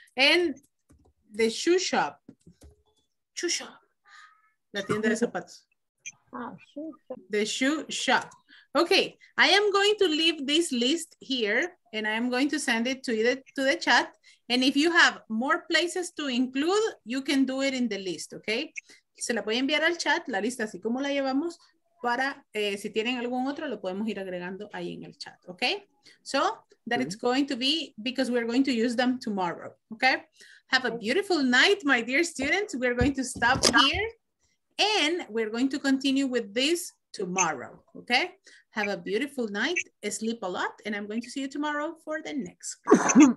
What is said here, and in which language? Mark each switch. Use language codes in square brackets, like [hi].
[en] And the shoe shop. Shoe shop. [es] La tienda de zapatos. [en] The shoe shop. Okay, I am going to leave this list here and I am going to send it to the chat. And if you have more places to include, you can do it in the list, okay? [es] Se la voy a enviar al chat, la lista así como la llevamos, para si tienen algún otro, lo podemos ir agregando ahí en el chat, okay? [en] So, that it's going to be, because we're going to use them tomorrow, okay? Have a beautiful night, my dear students. We're going to stop here and we're going to continue with this tomorrow, okay? Have a beautiful night, sleep a lot, and I'm going to see you tomorrow for the next class.